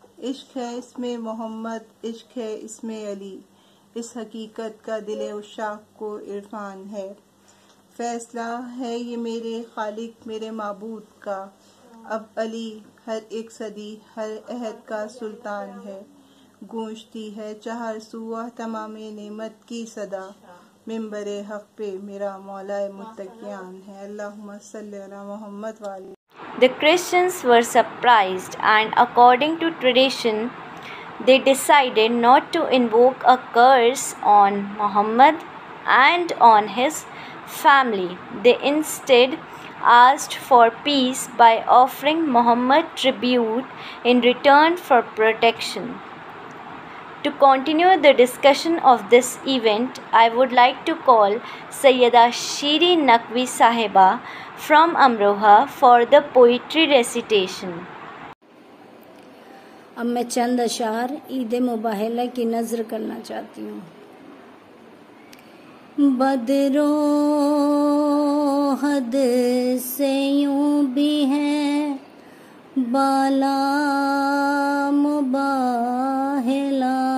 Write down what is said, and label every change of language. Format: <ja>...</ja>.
<ur>عشق ہے اس میں محمد عشق ہے اس میں علی اس حقیقت کا دل عشاق کو عرفان ہے فیصلہ ہے یہ میرے خالق میرے معبود کا اب علی ہر ایک صدی ہر عہد کا سلطان ہے گونجتی ہے چہر سوا تمام نعمت کی صدا ممبر حق پہ میرا مولا متقیان ہے</ur> <ar>اللہم صلی علی محمد والی</ar> <en>The Christians were surprised and according to tradition they decided not to invoke a curse on Muhammad and on his family. They instead asked for peace by offering Muhammad tribute in return for protection. To continue the discussion of this event, I would like to call Sayyida Shiri Naqvi Sahiba from Amroha for the poetry recitation.</en> <ur>اب میں چند اشعار عید مباحلہ کی نظر کرنا چاہتی ہوں. بدرو حد سے یوں بھی ہے بالا مباحلہ</ur>